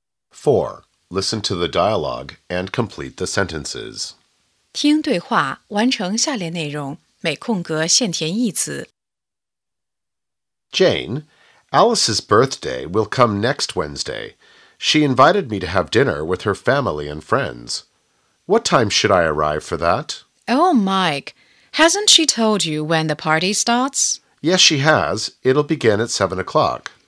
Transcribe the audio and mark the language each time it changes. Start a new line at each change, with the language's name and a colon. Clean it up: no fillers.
English: Four. Listen to the dialogue and complete the sentences.
Chinese: 听对话，完成下列内容，每空格限填一词。
English: Jane, Alice's birthday will come next Wednesday. She invited me to have dinner with her family and friends. What time should I arrive for that? Oh, Mike, hasn't she told you when the party starts? Yes, she has. It'll begin at 7 o'clock.